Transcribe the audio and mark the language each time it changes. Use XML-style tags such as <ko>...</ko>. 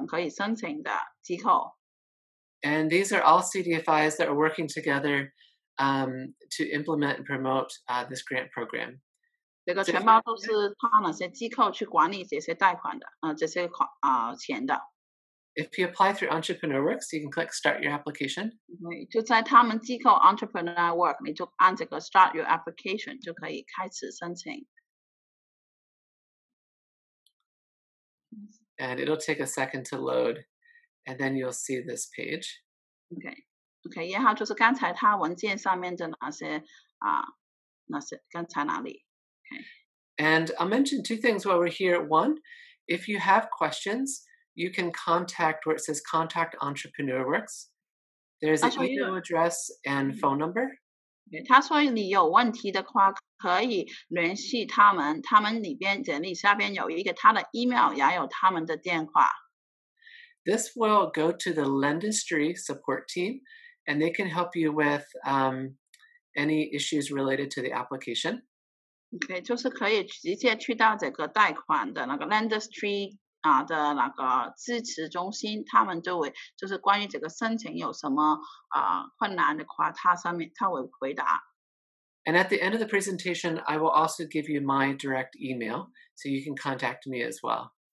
<zh>它里边就是会说全报这个CDFI在费城可以申请的机构.</zh> <en>And these are all CDFIs that are working together to implement and promote this grant program.</en> <zh>这个全报都是他那些机构去管理这些贷款的,这些钱的.</zh> <en>If you apply through EntrepreneurWorks, you can click Start Your Application.</en> <zh>Okay, 就在他们机构 EntrepreneurWorks, 你就按这个 Start Your Application, 就可以开始申请.</zh> <en>And it'll take a second to load, and then you'll see this page.</en> <zh>Okay, 然后就是刚才他文件上面的那些,刚才哪里, okay.</zh> <en>And I'll mention two things while we're here. One, if you have questions, you can contact where it says contact Entrepreneur Works. There's an email address and phone number.</en> <zh>他说你有问题的话可以联系他们，他们里边简历下边有一个他的email，也有他们的电话。</zh> <en>This will go to the Lendistry support team, and they can help you with any issues related to the application.</en> <zh>Okay, 就是可以直接去到这个贷款的那个Lendistry的那个支持中心，他们就会就是关于这个申请有什么困难的话，他上面他会回答。</zh> <en>And at the end of the presentation, I will also give you my direct email, so you can contact me as well.</en>